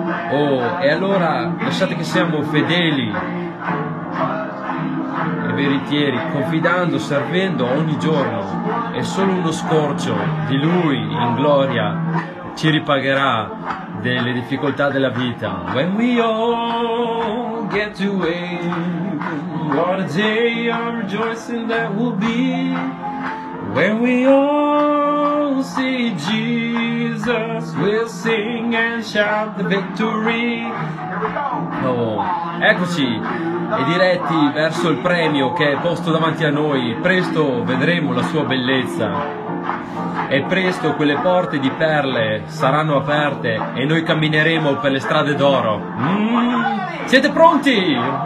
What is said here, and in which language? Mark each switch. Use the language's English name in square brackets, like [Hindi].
[Italian] Oh, e allora lasciate che siamo fedeli e veritieri, confidando, servendo ogni giorno, e solo uno scorcio di Lui in gloria ci ripagherà delle difficoltà della vita. [English] When we all get to heaven, what a day of rejoicing that will be. When we all see Jesus, we'll sing and shout the victory. [Italian] Oh, eccoci e diretti verso il premio che è posto davanti a noi. Presto vedremo la sua bellezza. E presto quelle porte di perle saranno aperte e noi cammineremo per le strade d'oro. Siete pronti?